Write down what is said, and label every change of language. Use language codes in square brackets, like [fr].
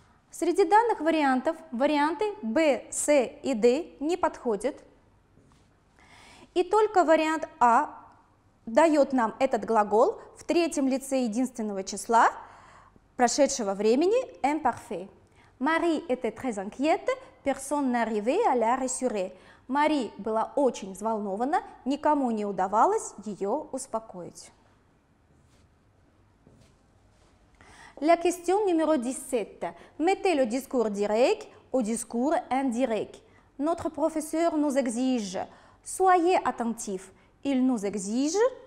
[ru] Среди данных вариантов варианты B, C и D не подходят. И только вариант A дает нам этот глагол в третьем лице единственного числа прошедшего времени imparfait. [fr] Marie était très inquiète, personne n'arrivait à la rassurer. [ru] Мари была очень взволнована, никому не удавалось ее успокоить. [fr] La question numéro 17. Mettez le discours direct au discours indirect. Notre professeur nous exige. Soyez attentif. Il nous exige.